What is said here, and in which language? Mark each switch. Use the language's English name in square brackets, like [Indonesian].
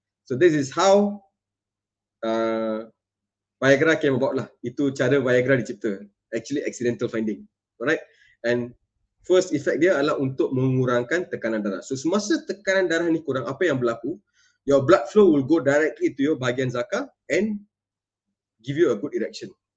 [English] So this is how Viagra came about lah. [Malay] Itu cara Viagra dicipta. [English] Actually accidental finding. Alright? And first effect [Malay] dia adalah untuk mengurangkan tekanan darah. So semasa tekanan darah ni kurang, apa yang berlaku? [English] Your blood flow will go directly to your [Malay] bahagian zakar [English] and give you a good erection.